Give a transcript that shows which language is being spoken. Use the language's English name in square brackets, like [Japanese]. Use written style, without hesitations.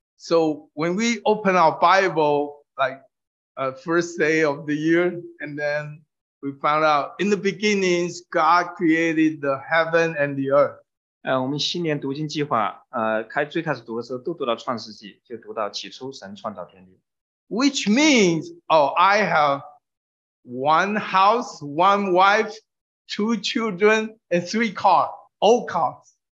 [English] So when we open our Bible, like first day of the year, and then we found out in the beginnings, God created the heaven and the earth. [Chinese] 我们新年读经计划，最开始读的时候都读到创世纪，就读到起初神创造天地。 [English] Which means, I have one house, one wife, two children, and three cars, all cars.